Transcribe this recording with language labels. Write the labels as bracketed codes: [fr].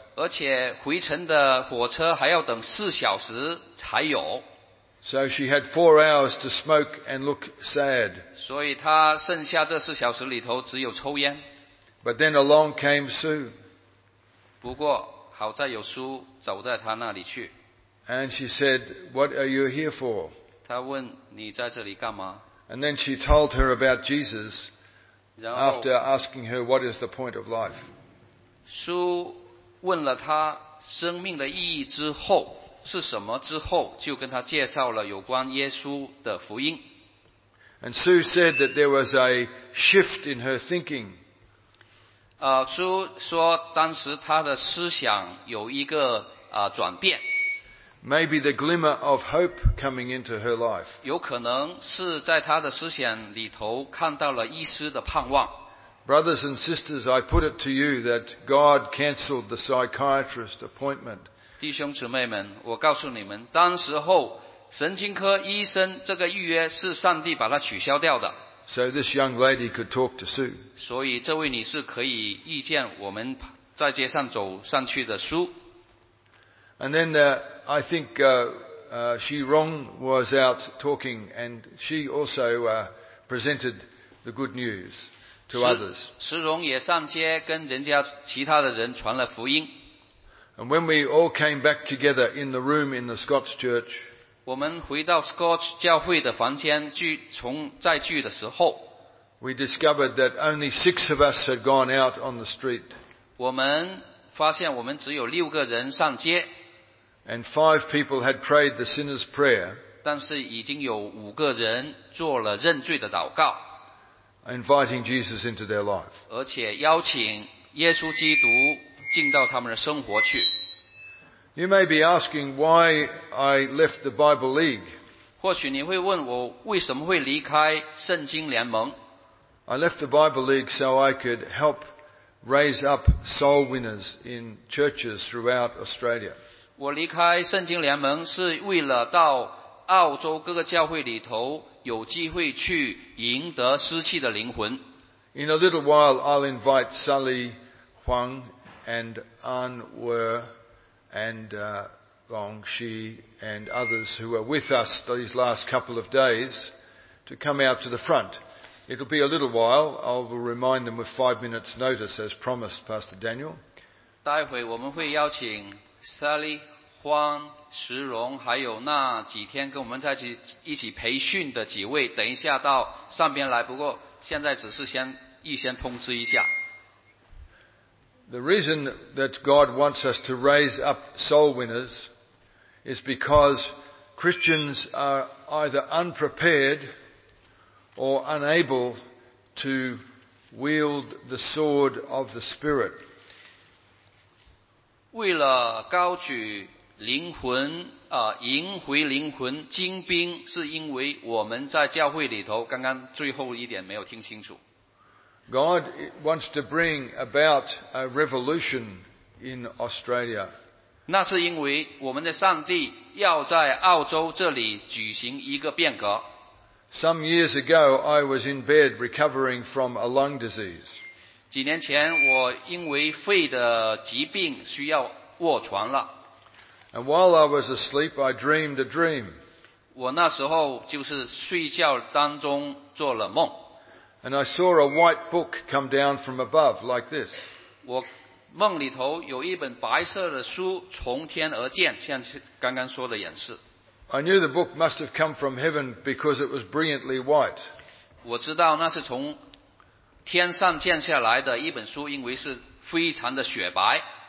[zh] 而且回程的火车还要等四小时才有。 [en] So she had 4 hours to smoke and look sad. [zh] 所以他剩下这四小时里头只有抽烟。 [en] But then along came Sue. [zh] 不过好在有苏走在他那里去。 [en] And she said, "What are you here for?" [zh] 她问你在这里干嘛。 [en] And then she told her about Jesus after asking her, "What is the point of life?" [zh] 苏问了她生命的意义之后是什么之后，就跟她介绍了有关耶稣的福音。 [en] And Sue said that there was a shift in her thinking. [zh] 苏说当时他的思想有一个转变。 [en] Maybe the glimmer of hope coming into her life. [zh] 有可能是在他的思想里头看到了一丝的盼望。 [en] Brothers and sisters, I put it to you that God cancelled the psychiatrist appointment. [zh] 弟兄姊妹们，我告诉你们，当时候神经科医生这个预约是上帝把它取消掉的。 [en] So this young lady could talk to Sue. [zh] 所以这位女士可以遇见我们在街上走上去的 Sue. [en] And then I think Xi Rong was out talking and she also presented the good news to others. [zh] 石荣也上街跟人家其他的人传了福音。 [en] And when we all came back together in the room in the Scots Church, [zh] 我们回到 Scots 教会的房间从再聚的时候 [en] we discovered that only six of us had gone out on the street. [zh] 我们发现我们只有六个人上街。 [en] And five people had prayed the sinner's prayer. [zh] 但是已经有五个人做了认罪的祷告。 [en] Inviting Jesus into their life. [zh] 而且邀请耶稣基督进到他们的生活去。 [en] You may be asking why I left the Bible League. [zh] 或许你会问我为什么会离开圣经联盟。 [en] I left the Bible League so I could help raise up soul winners in churches throughout Australia. [zh] 我离开圣经联盟是为了到澳洲各个教会里头有机会去赢得失去的灵魂。 [en] In a little while, I'll invite Sally Huang and An Wer and Long Shi and others who are with us these last couple of days to come out to the front. It'll be a little while. I will remind them with 5 minutes' notice, as promised, Pastor Daniel. [zh] 待会我们会邀请 Sally Huang。石荣还有那几天跟我们在一起培训的几位等一下到上边来不过现在只是先预先通知一下 [en] The reason that God wants us to raise up soul winners is because Christians are either unprepared or unable to wield the sword of the Spirit [zh] 为了高举灵魂赢回灵魂精兵是因为我们在教会里头刚刚最后一点没有听清楚 [en] God wants to bring about a revolution in Australia [zh] 那是因为我们的上帝要在澳洲这里举行一个变革 [en] Some years ago I was in bed recovering from a lung disease [zh] 几年前我因为肺的疾病需要卧床了 [en] And while I was asleep, I dreamed a dream. [zh] 我那时候就是睡觉当中做了梦。 [en] And I saw a white book come down from above like this. [zh] 我梦里头有一本白色的书从天而降，像刚刚说的演示。 [en] I knew the book must have come from heaven because it was brilliantly white. [zh] 我知道那是从天上降下来的一本书，因为是非常的雪白。